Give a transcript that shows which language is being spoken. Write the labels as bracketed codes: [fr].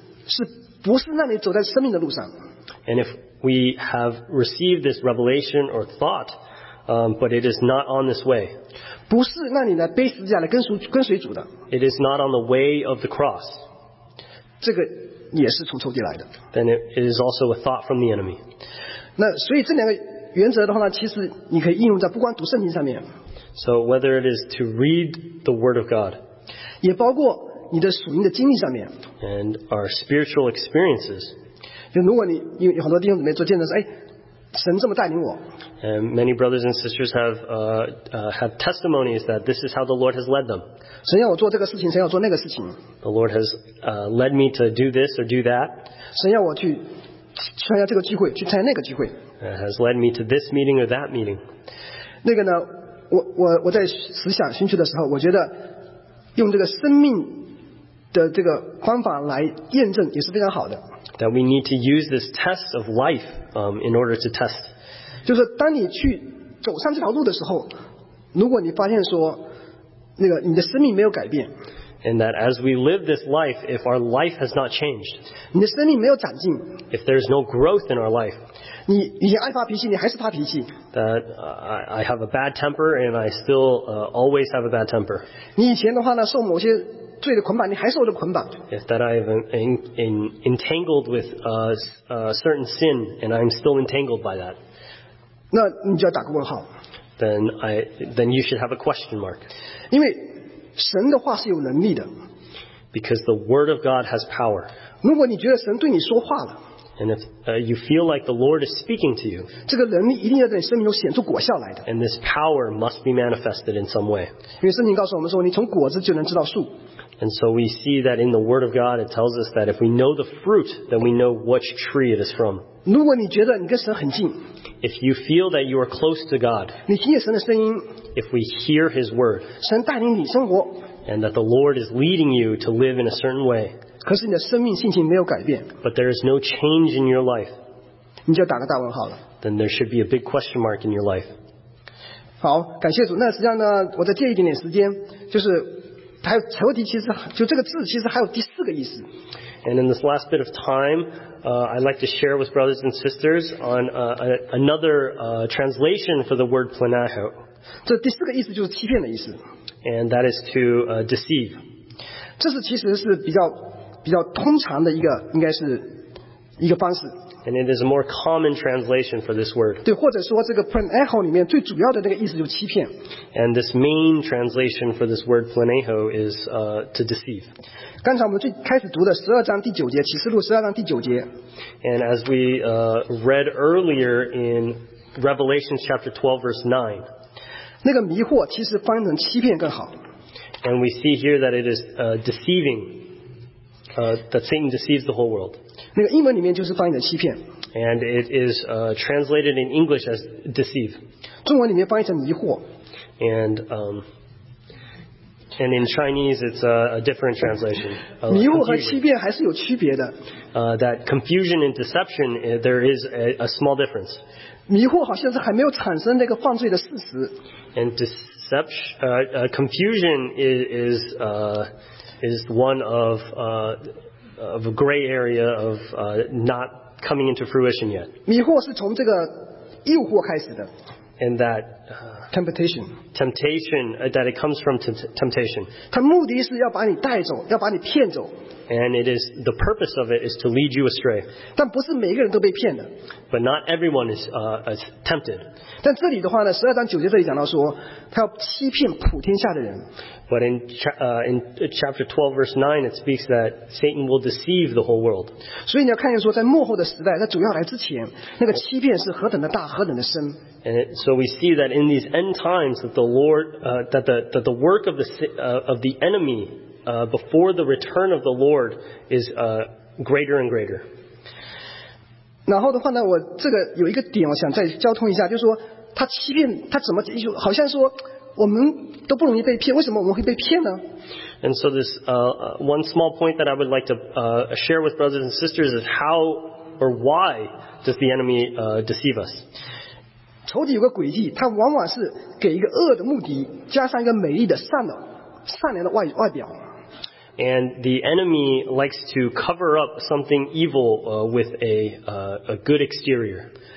[zh] 如果你得到的启示是不是让你走在生命的路上？ [en] And if we have received this revelation or thought, but it is not on this way. [zh] 不是那你呢,背十字架来跟随主的。 [en] It is not on the way of the cross. [zh] 这个也是从仇敌来的。 [en] It is also a thought from the enemy. [zh] 那所以这两个原则的话呢,其实你可以应用在不光读圣经上面。 [en] So whether it is to read the Word of God, [zh] 也包括你的属灵的经历上面, [en] and our spiritual experiences, [zh] 就如果你有很多弟兄姊妹做见证说，哎，神这么带领我。 [en] And many brothers and sisters have testimonies that this is how the Lord has led them. [zh] 神要我做这个事情，神要做那个事情。 [en] The Lord has led me to do this or do that. [zh] 神要我去参加这个聚会，去参加那个聚会。 [en] Has led me to this meeting or that meeting. [zh] 那个呢，我在思想寻求的时候，我觉得用这个生命。的这个方法来验证也是非常好的。 [en] That we need to use this test of life, in order to test. [zh] 就是当你去走上这条路的时候，如果你发现说，那个你的生命没有改变。 [en] And that as we live this life, if our life has not changed, [zh] 你的生命没有长进。 [en] If there is no growth in our life, [zh] 你已经爱发脾气，你还是发脾气。 [en] That I have a bad temper and I still always have a bad temper. [zh] 你以前的话呢，受某些罪的捆绑，你还是我的捆绑。 [en] If that I have been entangled with a certain sin and I'm still entangled by that, [zh] 那你就要打个问号。 [en] Then you should have a question mark. [zh] 因为神的话是有能力的。 [en] Because the word of God has power. [zh] 如果你觉得神对你说话了。 [en] And if you feel like the Lord is speaking to you. [zh] 这个能力一定要在你生命中显出果效来的。 [en] And this power must be manifested in some way. [zh] 因为圣经告诉我们说，你从果子就能知道树。 [en] And so we see that in the word of God, it tells us that if we know the fruit, then we know which tree it is from. [zh] 如果你觉得你跟神很近， [en] if you feel that you are close to God, [zh] 你听见神的声音， [en] if we hear his word, [zh] 神带领你生活， [en] and that the Lord is leading you to live in a certain way, [zh] 可是你的生命性情没有改变， [en] but there is no change in your life, [zh] 你就打个大问号了。 [en] then there should be a big question mark in your life. [zh] 好，感谢主。那实际上呢，我再借一点点时间，就是还有仇敌，其实就这个字其实还有第四个意思。 [en] And in this last bit of time, I'd like to share with brothers and sisters on another translation for the word planaho. [zh] 这第四个意思就是欺骗的意思。 [en] And that is to deceive. [zh] 这是其实是比较通常的一个，应该是一个方式。 [en] And it is a more common translation for this word. [zh] 对，或者说这个 planaho 里面最主要的那个意思就是欺骗。 [en] And this main translation for this word planaho is to deceive. [zh] 刚才我们最开始读的十二章第九节，启示录十二章第九节。 [en] And as we read earlier in Revelation chapter 12 verse 9. [zh] 那个迷惑其实翻译成欺骗更好。 [en] And we see here that it is deceiving. That Satan deceives the whole world. [zh] 那个英文里面就是翻译的欺骗。 [en] And it is translated in English as deceive. [zh] 中文里面翻译成迷惑。 [en] And in Chinese it's a different translation. [zh] 迷惑和欺骗还是有区别的。 [en] That confusion and deception, there is a small difference. [zh] 迷惑好像是还没有产生那个犯罪的事实。 [en] And deception, confusion is one of a gray area of not coming into fruition yet. [zh] 迷惑是从这个诱惑开始的。 [en] And that temptation. Temptation, that it comes from temptation. [zh] 它目的是要把你带走，要把你骗走。 [en] And it is, the purpose of it is to lead you astray. [zh] 但不是每个人都被骗的。 [en] But not everyone is tempted. [zh] 但这里的话呢，十二章九节这里讲到说，他要欺骗普天下的人。 [en] But in chapter 12 verse 9, it speaks that Satan will deceive the whole world. [zh] 所以你要看见说，在末后的时代，在主要来之前，那个欺骗是何等的大，何等的深。 [en] And so we see that in these end times, that the Lord, that the work of the enemy before the return of the Lord is greater and greater. [zh] 然后的话呢，我这个有一个点，我想再交通一下，就是说他欺骗他怎么就好像说。我们都不容易被骗，为什么我们会被骗呢？ [en] And so this one small point that I would like to share with brothers and sisters is how or why does the enemy deceive us? [zh] 仇敌有个诡计，他往往是给一个恶的目的加上一个美丽的善良的外表。 [en] And the enemy likes to cover up something evil with a good exterior.